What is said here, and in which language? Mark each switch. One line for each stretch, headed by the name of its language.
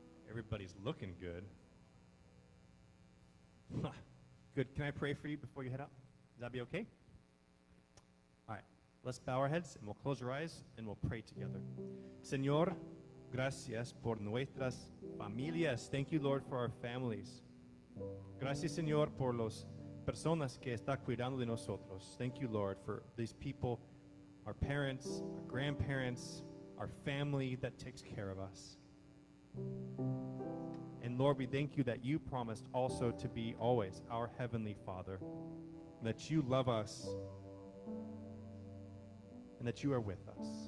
English: Everybody's looking good. Good. Can I pray for you before you head out? Would that be okay? Let's bow our heads and we'll close our eyes and we'll pray together.
Spanish: Señor, gracias por nuestras familias.
English: Thank you, Lord, for our families.
Spanish: Gracias, Señor, por las personas que están cuidando de nosotros.
English: Thank you, Lord, for these people, our parents, our grandparents, our family that takes care of us. And Lord, we thank you that you promised also to be always our Heavenly Father, that you love us, that you are with us.